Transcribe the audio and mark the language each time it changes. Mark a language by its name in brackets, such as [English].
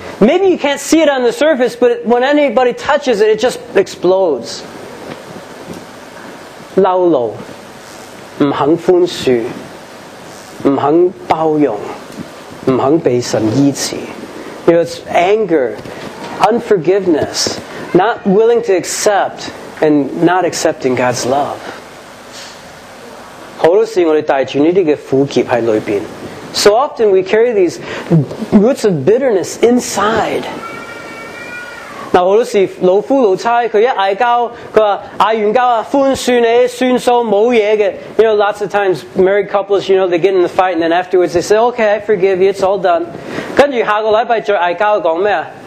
[English] Maybe you can't see it on the surface, but when anybody touches it, it just explodes. [Chinese] 嬲怒，不肯宽恕，不肯包容，不肯被神医治。 [English] You know, it's anger, unforgiveness, not willing to accept. And not accepting God's love. [Chinese] 好多时我们带着这些苦结在里面。 [English] So often we carry these roots of bitterness inside. [Chinese] 好多时老夫老妻他一嗌交，他说嗌完交啊，宽恕你，算数，没事的。 [English] You know, lots of times married couples, you know, they get in the fight and then afterwards they say, okay, I forgive you, it's all done. [Chinese] 跟着下个礼拜再嗌交，说什么？